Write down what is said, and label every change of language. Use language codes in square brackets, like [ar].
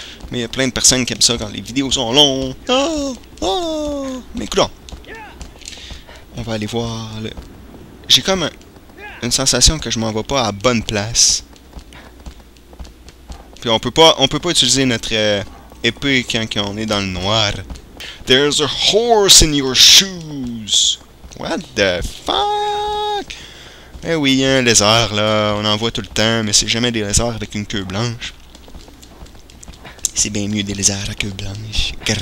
[fr] Mais il y a plein de personnes qui aiment ça quand les vidéos sont longues. Oh! Oh! Mais écoute, on va aller voir le... J'ai comme un... Une sensation que je m'en vais pas à bonne place. Puis on peut pas utiliser notre épée quand on est dans le noir. [en] There's a horse in your shoes. What the fuck? [fr] Eh oui, il y a un lézard là. On en voit tout le temps, mais c'est jamais des lézards avec une queue blanche. C'est bien mieux des lézards à queue blanche.